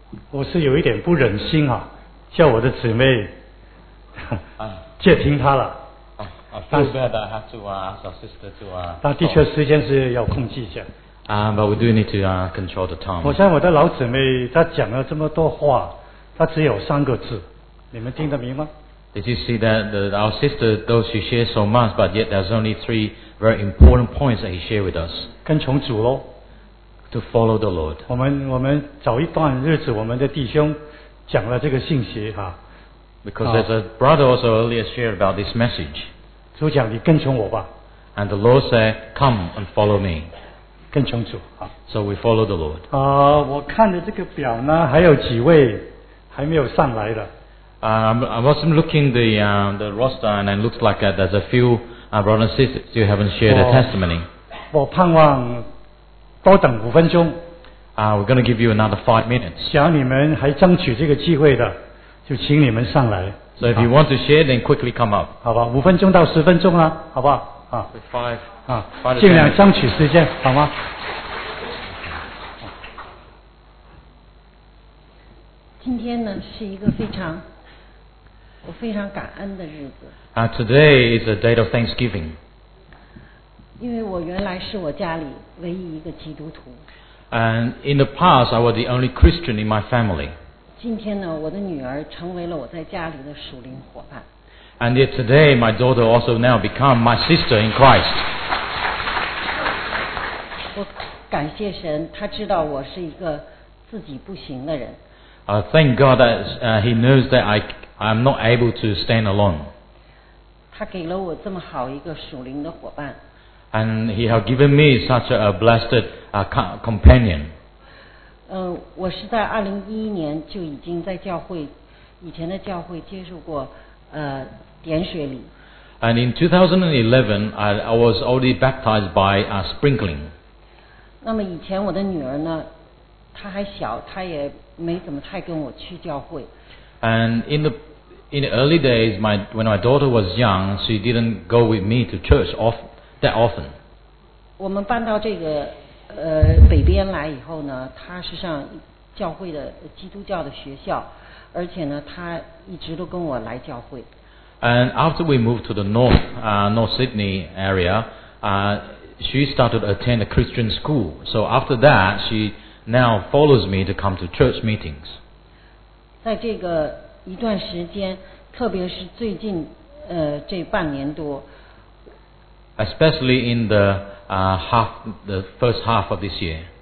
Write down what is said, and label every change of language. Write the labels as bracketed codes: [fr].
[zh] 我是有一点不忍心啊，叫我的姊妹借听他了。 [en] I feel bad. I have to ask our sister to. [zh] 但的确，时间是要控制一下。 [en] But we do need to control the time. [zh] 我想我的老姊妹她讲了这么多话，她只有三个字，你们听得明吗 [en] ？Did you see that our sister, though she shares so much, but yet there's only three very important points that he shared with us. [zh] 跟从主咯。 [en] To follow the Lord. [zh] 我们早一段日子，我们的弟兄讲了这个信息哈。 [en] Because there's a brother also earlier shared about this message. [zh] 主讲你跟从我吧。 [en] And the Lord said, "Come and follow me." [zh] 跟从主啊。 [en] So we follow the Lord. [zh] 我看的这个表呢，还有几位还没有上来的。 [en] I wasn't looking the roster, and it looks like there's a few brothers and sisters still haven't shared their testimony. [zh] 我盼望多等五分钟。 [en] We're going to give you another 5 minutes. [zh] 想你们还争取这个机会的。就请你们上来。 [en] So if you want to share, then quickly come up. [zh] 好吧，五分钟到十分钟啊，好不好？啊 [en] ，five [zh] 啊，尽量争取时间，好吗？今天呢是一个非常感恩的日子。 [en] Today is a day of Thanksgiving. [zh] 因为我原来是我家里唯一一个基督徒。 [en] And in the past, I was the only Christian in my family. [zh] 今天呢，我的女儿成为了我在家里的属灵伙伴。 [en] And yet today, my daughter also now become my sister in Christ. [zh] 我感谢神，她知道我是一个自己不行的人。 [en] Thank God that he knows that I'm not able to stand alone. [zh] 他给了我这么好一个属灵的伙伴。 [en] And he has given me such a blessed companion. [zh] 我是在2011年就已经在教会，以前的教会接受过点水礼。 [en] And in 2011, I was already baptized by sprinkling. [zh] 那么以前我的女儿呢，她还小，她也没怎么太跟我去教会。 [en] And in the early days, when my daughter was young, she didn't go with me to church that often. [zh] 我们搬到这个北边来以后呢，她是上教会的基督教的学校，而且呢，她一直都跟我来教会。 [en] And after we moved to the north, North Sydney area, she started to attend a Christian school. So after that, she now follows me to come to church meetings. [zh] 在这个一段时间，特别是最近这半年多。 [en] Especially in the first half of this year.